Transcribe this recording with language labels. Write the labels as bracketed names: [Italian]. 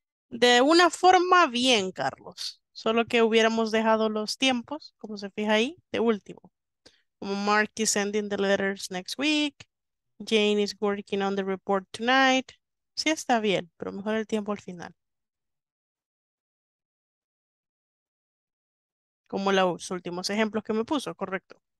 [Spanish] De una forma bien, Carlos. Solo que hubiéramos dejado los tiempos, como se fija ahí, de último. [English] Como Mark is sending the letters next week. Jane is working on the report tonight. [Spanish] Sí está bien, pero mejor el tiempo al final. Como los últimos ejemplos que me puso, correcto.